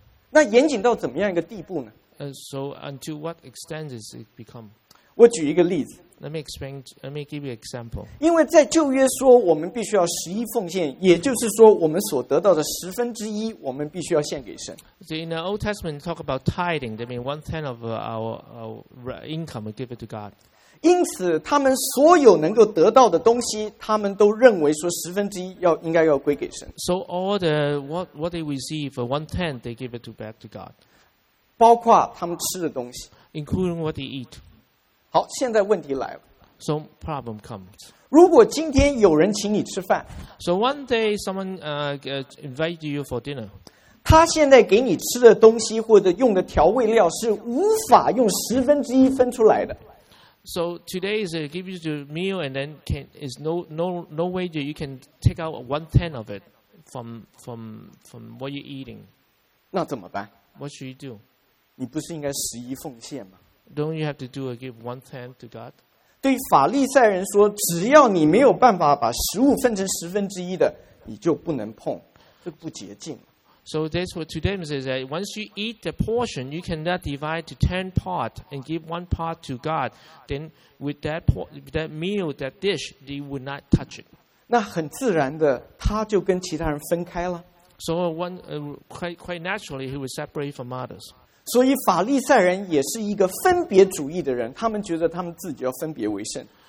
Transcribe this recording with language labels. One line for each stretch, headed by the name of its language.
Chinese: 那严谨到怎么样一个地步呢？
English: So until what extent does it become?
Chinese: 我举一个例子。
English: Let me give you an example.
Chinese: 因为在旧约说我们必须要十一奉献，也就是说我们所得到的十分之一，我们必须要献给神。
English: So in the Old Testament, talk about tithing. That means one tenth of our income, we give it to God.
Chinese: 因此，他们所有能够得到的东西，他们都认为说十分之一要应该要归给神。
English: So all the what they receive, one tenth, they give it to back to God.
Chinese: 包括他们吃的东西
English: ，including what they eat.
Chinese: 好，现在问题来了。
English: So problem comes.
Chinese: 如果今天有人请你吃饭
English: ，So one day someone invite you for dinner.
Chinese: 他现在给你吃的东西或者用的调味料是无法用十分之一分出来的。
English: So today is give you the meal and then can is no way that you can take out one tenth of it from what you're eating.
Chinese: 那怎么办
English: ？What should you do?
Chinese: 你不是应该十一奉献吗？
English: Don't you have to do a give one tenth to God?
Chinese: 对法利赛人说，只要你没有办法把食物分成十分之一的，你就不能碰，这不洁净。
English: So that's what to them is that once you eat the portion, you cannot divide to ten part and give one part to God. Then with that that meal, that dish, they would not touch it.
Chinese: 那很自然的，他就跟其他人分开了。
English: So one quite naturally, he would separate from others.
Chinese: 所以法利赛人也是一个分别主义的人，他们觉得他们自己要分别为圣。